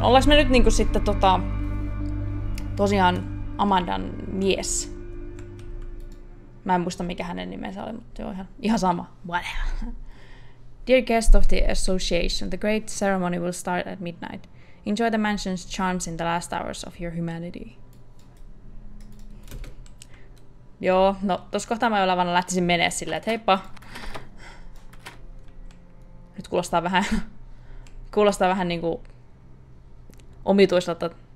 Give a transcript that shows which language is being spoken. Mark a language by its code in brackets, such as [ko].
[fi] Ollaanko me nyt niin kuin sitten tota... Tosiaan Amandan mies. Mä en muista mikä hänen nimensä oli, mutta joo, ihan sama. [en] Whatever. Dear guest of the association, the great ceremony will start at midnight. Enjoy the mansion's charms in the last hours of your humanity. [fi] Joo, no tossa kohtaa mä olevan lähtisin menee silleen, että heippa. Nyt kuulostaa vähän niinku omituiselta.